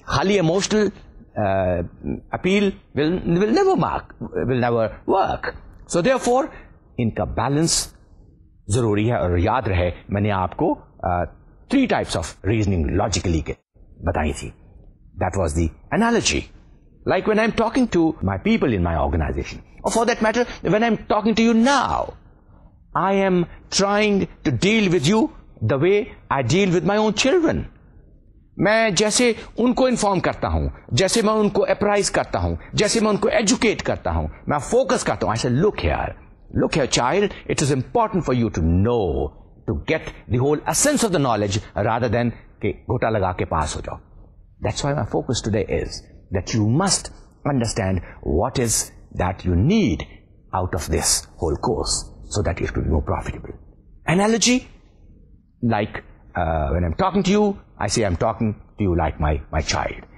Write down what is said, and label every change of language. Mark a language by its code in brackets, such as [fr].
[en] خالی emotional appeal will never mark, will never work. [ur] So there for ان کا balance ضروری ہے. اور یاد رہے, میں نے آپ کو three types of reasoning logically کے بتائی تھی. [en] That was the analogy. Like when I'm talking to my people in my organization, or for that matter, when I'm talking to you now, I am trying to deal with you the way I deal with my own children. [ur] میں جیسے ان کو inform کرتا ہوں, جیسے میں ان کو اپرائز کرتا ہوں, جیسے میں ان کو ایجوکیٹ کرتا ہوں, میں فوکس کرتا ہوں. [en] I say, look here child, it is important for you to know, to get the whole essence of the knowledge rather than [ur] کہ گھوٹا لگا کے پاس ہو جاؤ. [en] That's why my focus today is that you must understand what is that you need out of this whole course so that it will be more profitable. Analogy, like when I'm talking to you, I say I'm talking to you like my child.